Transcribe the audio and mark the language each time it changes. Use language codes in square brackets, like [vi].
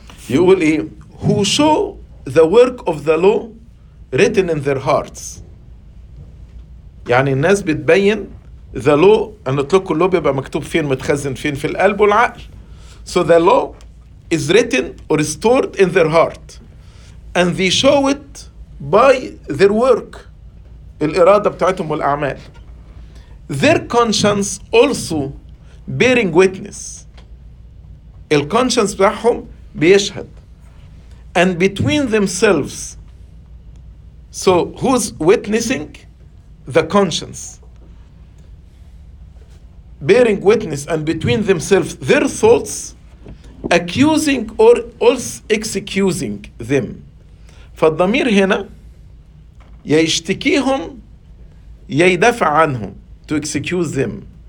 [ar] يقول إيه؟ [en] Who show the work of the law written in their hearts. [ar] يعني الناس بتبين [en] the law, [ar] أن تلك اللو بيبقى مكتوب فين, متخزن فين, في القلب والعقل. [en] So the law is written or stored in their heart, and they show it by their work, [ar] الإرادة بتاعتهم والأعمال. [en] Their conscience also bearing witness. [ar] الconscience بتاعهم بيشهد. [en] And between themselves, so who's witnessing? The conscience. Bearing witness, and between themselves, their thoughts, accusing or also excusing them. [ar] فالضمير هنا يشتكيهم يدافع عنهم, [en] to excuse them.